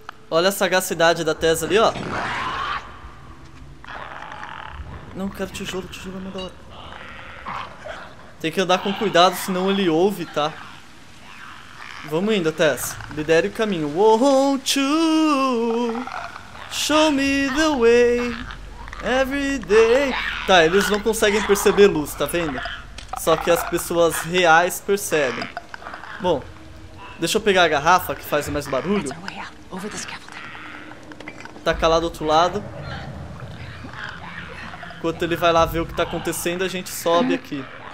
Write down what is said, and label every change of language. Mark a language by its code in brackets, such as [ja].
[pt] Olha a sagacidade da Tess ali, ó. Não, quero tijolo, tijolo é melhor. Tem que andar com cuidado, senão ele ouve, tá? Vamos indo, Tess. Lidere o caminho. [en] Won't you show me the way every day? [pt] Tá, eles não conseguem perceber luz, tá vendo? Só que as pessoas reais percebem. Bom, deixa eu pegar a garrafa que faz mais barulho. Tacar lá do outro lado. Enquanto ele vai lá ver o que tá acontecendo, a gente sobe aqui.